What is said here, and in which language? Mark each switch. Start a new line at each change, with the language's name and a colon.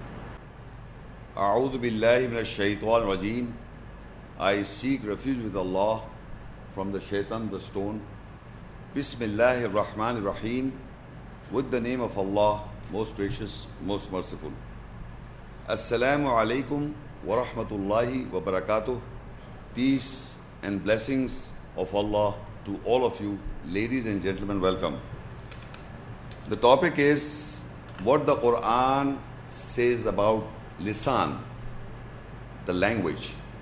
Arabic: أعوذ بالله من الشيطان الرجيم.
English: I seek refuge with Allah from the shaitan, the stone.
Arabic: بسم الله الرحمن الرحيم.
English: With the name of Allah, most gracious, most merciful.
Arabic: السلام عليكم ورحمة الله وبركاته.
English: Peace and blessings of Allah to all of you. Ladies and gentlemen, welcome. The topic is what the Quran says about lisan, the language.